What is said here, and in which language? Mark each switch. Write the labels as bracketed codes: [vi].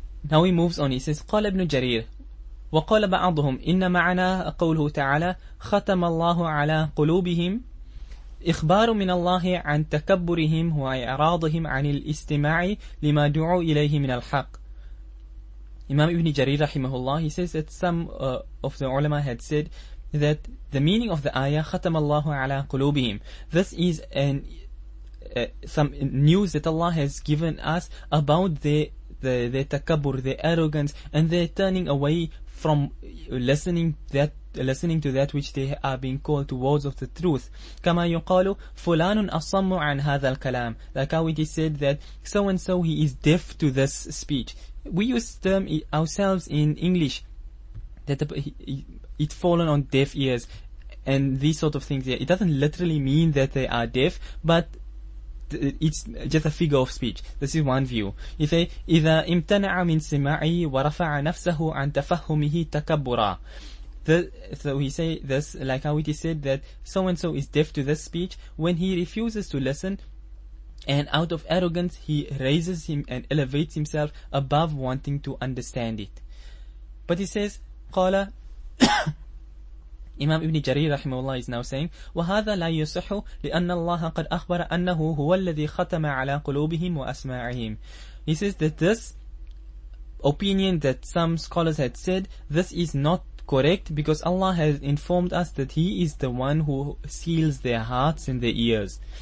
[en] Now he moves on. He says, [ar] قال ابن جرير وقال بعضهم إن معنى قوله تعالى ختم الله على قلوبهم إخبار من الله عن تكبرهم وإعراضهم عن الاستماع لما دعوا إليه من الحق. [en] Imam Ibn Jarir rahimahullah, he says that some of the ulama had said that the meaning of the ayah, [ar] خَتَمَ اللَّهُ عَلَىٰ قُلُوبِهِمْ, [en] this is some news that Allah has given us about the takabur, the arrogance, and their turning away from listening to that which they are being called towards of the truth. [ar] كَمَا يُقَالُ فُلَانٌ أَصَمُّ عَنْ هَذَا الْكَلَامِ. [en] Like how it is said that so-and-so, he is deaf to this speech. We use term ourselves in English, that it fallen on deaf ears and these sort of things. Yeah, it doesn't literally mean that they are deaf, but it's just a figure of speech. This is one view. You say, [ar] إِذَا امْتَنَعَ مِنْ سِمَعِي وَرَفَعَ نَفْسَهُ عَنْ تَفَهُمِهِ تَكَبُّرًا. [en] So he say this, like how it is said that so-and-so is deaf to this speech, when he refuses to listen, and out of arrogance, he raises him and elevates himself above wanting to understand it. But he says, [ar] قال إمام ابن جرير رحمه الله [en] is now saying [ar] وهذا لا يصح لأن الله قد أخبر أنه هو الذي ختم على قلوبهم وأسماعهم. [en] He says that this opinion that some scholars had said, this is not correct because Allah has informed us that He is the one who seals their hearts and their ears.